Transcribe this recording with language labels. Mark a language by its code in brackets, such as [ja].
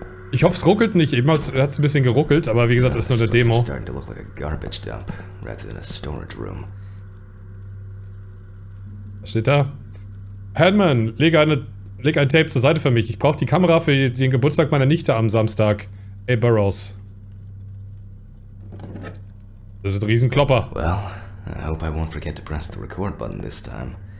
[de] Ich hoffe, es ruckelt nicht. Eben hat es ein bisschen geruckelt, aber wie gesagt, es ist nur eine Demo. [en] It's starting to look like a garbage dump rather than a storage room. [de] Was steht da? Hanman, leg ein Tape zur Seite für mich. Ich brauche die Kamera für den Geburtstag meiner Nichte am Samstag. Hey, Burrows. Das ist ein Riesenklopper. [en] Well, I hope I won't forget to press the record button this time.